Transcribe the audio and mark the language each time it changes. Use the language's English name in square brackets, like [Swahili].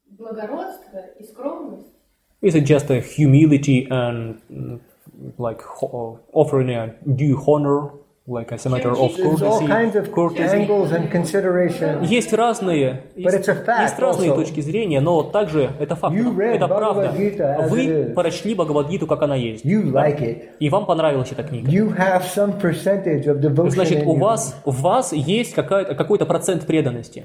[Russian] Это благородство и скромность? [English] Is it just a humility and like offering a due honor? Like as a matter of courtesy, all kinds of courtesy. Angles and considerations. [Russian] Есть разные, есть разные точки зрения, но также это факт, это правда. Вы прочли Бхагавад-гиту, как она есть. [English] You like it. [Russian] И вам понравилась эта книга. [English] You have some percentage of devotion. [Russian] Значит, у вас есть какой-то процент преданности.